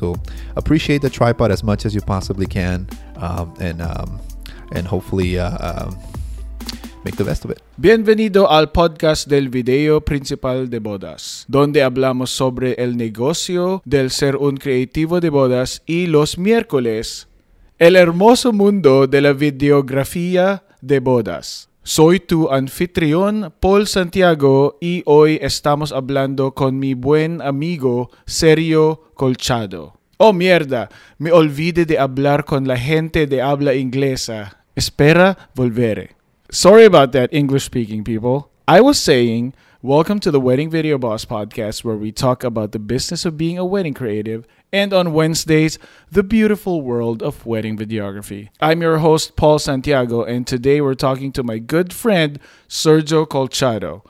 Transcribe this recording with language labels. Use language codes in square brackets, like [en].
[en] So appreciate the tripod as much as you possibly can, and hopefully make the best of it. [es] Bienvenido al podcast del video principal de bodas, donde hablamos sobre el negocio del ser un creativo de bodas y los miércoles, el hermoso mundo de la videografía de bodas. Soy tu anfitrión, Paul Santiago, y hoy estamos hablando con mi buen amigo, Sergio Colchado. ¡Oh, mierda! Me olvidé de hablar con la gente de habla inglesa. Espera, volveré. [en] Sorry about that, English-speaking people. I was saying, welcome to the Wedding Video Boss podcast, where we talk about the business of being a wedding creative, and on Wednesdays, the beautiful world of wedding videography. I'm your host, Paul Santiago, and today we're talking to my good friend, Sergio Colchado.